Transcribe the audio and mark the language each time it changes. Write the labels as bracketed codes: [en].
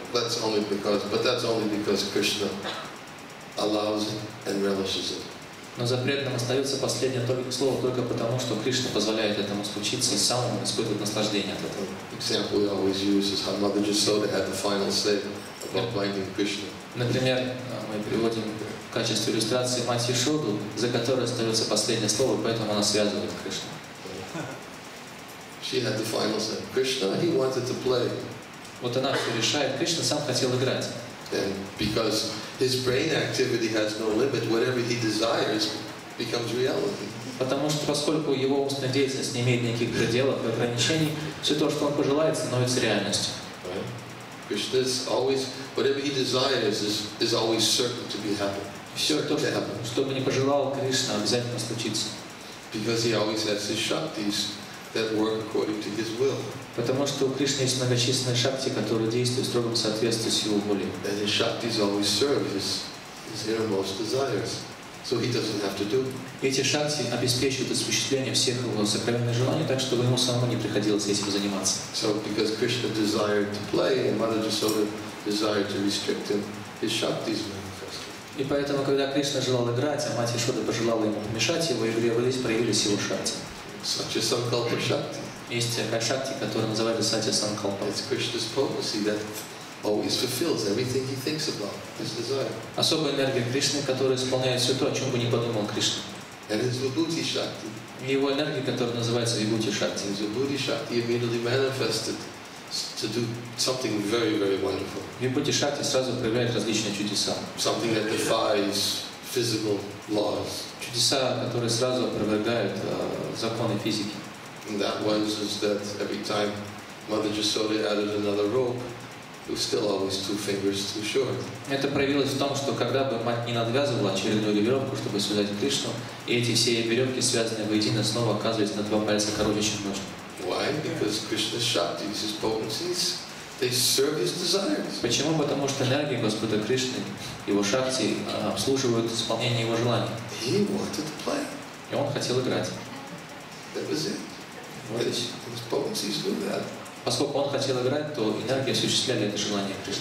[en] But that's only because Krishna allows it and relishes it. [ru] Но за преданным остается последнее слово только потому, что Кришна позволяет этому случиться и сам испытывает наслаждение от этого. [en] Example we always use is how Mother Jasoda had the final say about blinding Krishna. [ru] Например, мы приводим в качестве иллюстрации мать Яшоду, за которой остается последнее слово, поэтому она связывает Кришну. [en] She had the final say. Krishna, he wanted to play. [ru] Вот она все решает. Кришна сам хотел играть. [en] And because his brain activity has no limit, whatever he desires becomes reality. [ru] Потому что, поскольку его умственная деятельность не имеет никаких пределов и ограничений, все то, что он пожелает, становится реальностью. [en] Krishna is always, whatever he desires is always certain to be happen. [ru] Все то, что бы ни пожелал Кришна, обязательно случится. [en] Because he always has his shaktis that work according to his will. [ru] Потому что у Кришны есть многочисленные шакти, которые действуют в строгом соответствии с его волей. [en] And his shaktis always serve his innermost desires. So he doesn't have to do. [ru] Эти шакти обеспечивают осуществление всех его сакральных желаний, так чтобы ему самому не приходилось этим заниматься. [en] So because Krishna desired to play, and Mother Jasoda desired to restrict him, his shakti is manifested. [ru] И поэтому, когда Кришна желал играть, а мать Ишода пожелала ему помешать, его игре проявились его шакти. [en] Such a sankalpa shakti. [ru] Есть такая шакти, которая называется сатья санкалпа. [en] It's Krishna's potency that always fulfills everything he thinks about, his desire. [ru] Особая энергия Кришны, которая исполняет все то, о чем бы ни подумал Кришна. [en] That is vibhuti shakti. [ru] Его энергия, которая называется vibhuti shakti. [en] His vibhuti shakti immediately manifested to do something very, very wonderful. [ru] Vibhuti shakti сразу проявляет различные чудеса. [en] Something that defies physical laws. [ru] Чудеса, которые сразу опровергают законы физики. [en] And that was is that every time Mother Jasoda added another rope, it was still always two fingers too short. [ru] Это проявилось в том, что когда бы мать не надвязывала очередную веревку, чтобы связать Кришну, и эти все веревки, связанные воедино, снова оказывались на два пальца короче, чем нужно. [en] Why? Because Krishna's shakti, his potencies, they serve his desires. [ru] Почему? Потому что энергии Господа Кришны, его шакти, обслуживают исполнение его желаний. [en] He wanted to play. [ru] И он хотел играть. [en] That was it. His potencies do that. [ru] Поскольку он хотел играть, то энергии осуществляли это желание